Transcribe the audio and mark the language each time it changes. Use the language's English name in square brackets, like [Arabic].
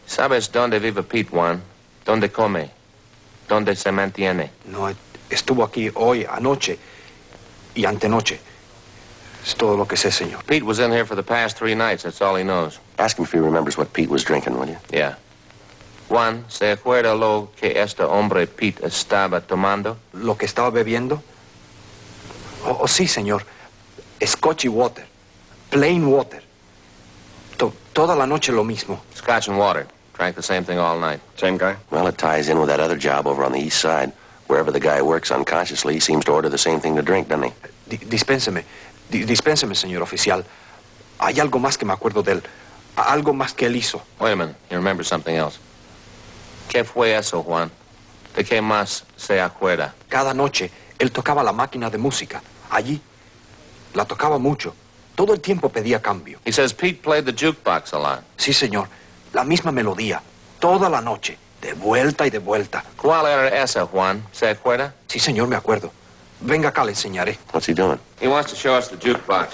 [Spanish] ¿Sabes dónde vive Pete, Juan? ¿Dónde come? ¿Dónde se mantiene? No, estuvo aquí hoy, anoche, y antenoche. Es todo lo que sé, señor. [English] Pete was in here for the past 3 nights, that's all he knows. Ask him if he remembers what Pete was drinking, will you? Yeah. [Spanish] Juan, ¿se acuerda lo que este hombre Pete estaba tomando? ¿Lo que estaba bebiendo? Oh, sí, señor. [English] Scotch and water. Plain water. [Spanish] Toda la noche lo mismo. [English] Scotch and water. Drank the same thing all night. Same guy? Well, it ties in with that other job over on the east side. Wherever the guy works unconsciously, he seems to order the same thing to drink, doesn't he? [Spanish] Dispénseme, señor oficial. Hay algo más que me acuerdo de él. Algo más que él hizo. [English] Wait a minute. You remember something else. [Spanish] ¿Qué fue eso, Juan? ¿De qué más se acuerda? Cada noche, él tocaba la máquina de música. Allí. La tocaba mucho. Todo el tiempo pedía cambio. [English] He says Pete played the jukebox a lot. [Spanish] Sí, señor. La misma melodía. Toda la noche. De vuelta y de vuelta. ¿Cuál era esa, Juan? ¿Se acuerda? Sí, señor, me acuerdo. Venga acá, le enseñaré. [English] What's he doing? He wants to show us the jukebox.